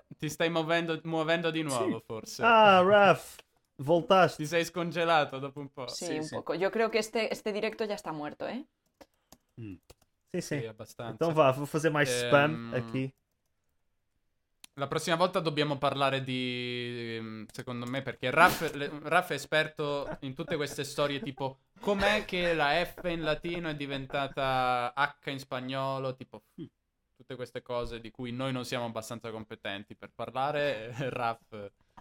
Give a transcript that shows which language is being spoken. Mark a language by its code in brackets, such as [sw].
[it] Ti stai muovendo di nuovo, sì. Forse. [pt] Ah, Raph. Voltaste. [it] Ti sei scongelato dopo un po'. Sì, sì un sì. Poco. Io credo che este directo già sta morto, eh? Sì, sì. Sì, abbastanza. [pt] Então va, vou fazer mais spam aqui. [it] La prossima volta dobbiamo parlare di... Secondo me, perché Raph è esperto in tutte queste storie, tipo... Com'è che la F in latino è diventata H in spagnolo, tipo... Tutte queste cose di cui noi non siamo abbastanza competenti per parlare, Raph...